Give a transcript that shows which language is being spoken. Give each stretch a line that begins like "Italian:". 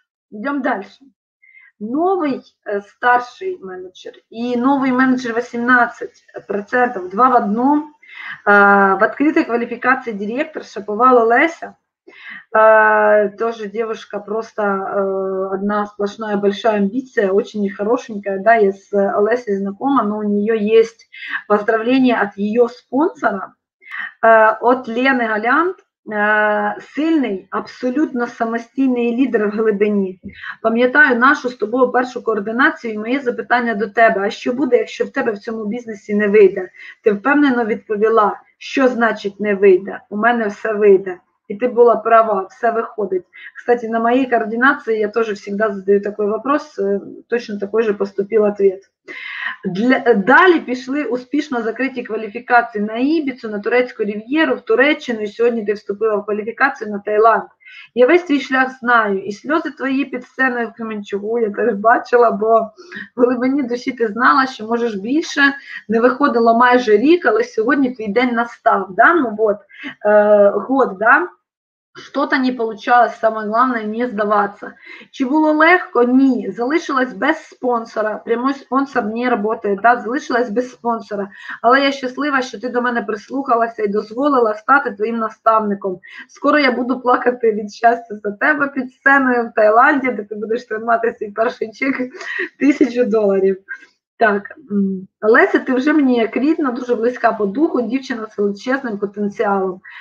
Russian: Идем дальше. Новый старший менеджер и новый менеджер 18%, 2 в одном, в открытой квалификации директор Шаповала Леся. Тоже девушка просто одна сплошная большая амбиция, очень хорошенькая, да, я с Олесей знакома, но у нее есть поздравление от ее спонсора, от Лены Галянт.
Ukrainian: Сильний, абсолютно самостійний лідер в глибині. Пам'ятаю нашу з тобою першу координацію і моє запитання до тебе. А що буде, якщо в тебе в цьому бізнесі не вийде? Ти впевнено відповіла, що значить не вийде? У мене все вийде.
Russian: И ты была права, все выходит. Кстати, на моей координации я тоже всегда задаю такой вопрос, точно такой же поступил ответ.
Ukrainian: Далее пішли успішно закриті кваліфікації на Ібіцу, на Турецьку рів'єру, в Туреччину, і сьогодні ти вступила в кваліфікацію на Таїланд. Я весь твій шлях знаю, і сльози твої під сценою в Кременчугу я теж бачила, бо в глибині душі ти знала, що можеш більше, не виходило майже рік, але сьогодні твій день настав, да?
Russian: Ну, от, год, да? Что-то не получалось, самое главное, не сдаваться.
Ukrainian: Чи було легко? Ні. Залишилась без спонсора.
Russian: Прямой спонсор не работает,
Ukrainian: да, залишилась без спонсора. Але я щаслива, що ти до мене прислухалася і дозволила стати твоїм наставником. Скоро я буду плакати від щастя за тебе під сценою в Таїланді, де ти будеш тримати свій перший чек $1000. Так, Леся, ти вже мені як рідна, дуже близька по духу, дівчина з величезним потенціалом.